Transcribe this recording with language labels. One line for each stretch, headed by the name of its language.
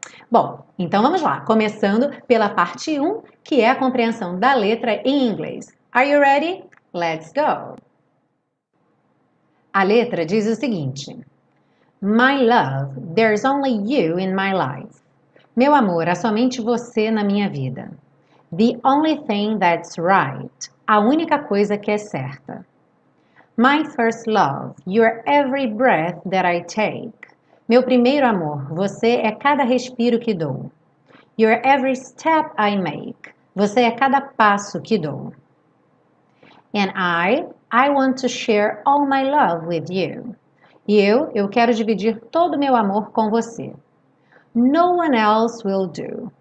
Portuguese: Bom, então vamos lá, começando pela parte 1, que é a compreensão da letra em inglês.
English: Are you ready? Let's go!
Portuguese: A letra diz o seguinte:
English: My love, there's only you in my life.
Portuguese: Meu amor, há somente você na minha vida.
English: The only thing that's right.
Portuguese: A única coisa que é certa.
English: My first love, you're every breath that I take.
Portuguese: Meu primeiro amor, você é cada respiro que dou.
English: You're every step I make.
Portuguese: Você é cada passo que dou.
English: I want to share all my love with you.
Portuguese: Eu quero dividir todo o meu amor com você.
English: No one else will do.